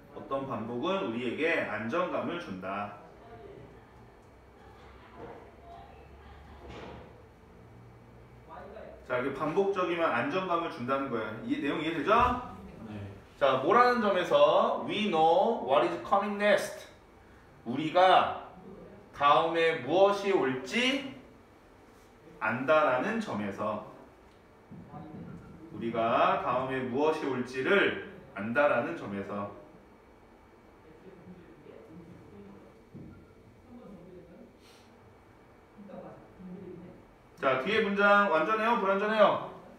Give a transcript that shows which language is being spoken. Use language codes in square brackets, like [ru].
[ko] 어떤 반복은 우리에게 안정감을 준다. 자, 이게 반복적이면 안정감을 준다는 거예요. 이 내용 이해되죠? 자, 뭐라는 점에서 [en] we know what is coming next. [ko] 우리가 다음에 무엇이 올지 안다라는 점에서 우리가 다음에 무엇이 올지를 안다라는 점에서 자, 뒤에 문장 완전해요? 불완전해요?